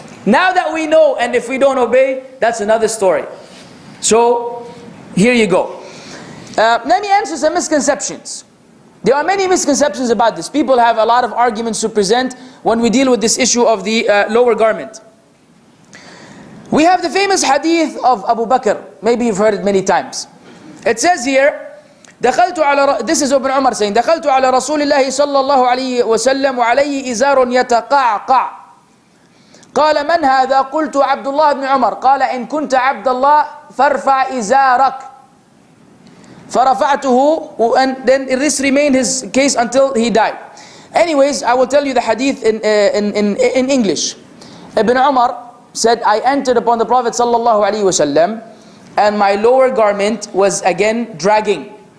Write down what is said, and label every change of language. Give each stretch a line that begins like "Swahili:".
English: Now that we know and if we don't obey, that's another story. So, here you go. Let me answer some misconceptions. There are many misconceptions about this. People have a lot of arguments to present when we deal with this issue of the lower garment. We have the famous hadith of Abu Bakr. Maybe you've heard it many times. It says here, this is Ibn Umar saying,
Arabic: دخلت على رسول الله صلى الله عليه وسلم وعليه إزار يتقعقع. قال من هذا؟ قلت عبد الله بن عمر. قال إن كنت عبد الله فارفع إزارك. فَرَفَعْتُهُ
English: and then this remained his case until he died. Anyways, I will tell you the hadith in English. Ibn Umar said, I entered upon the Prophet sallallahu alayhi wa sallam and my lower garment was again dragging.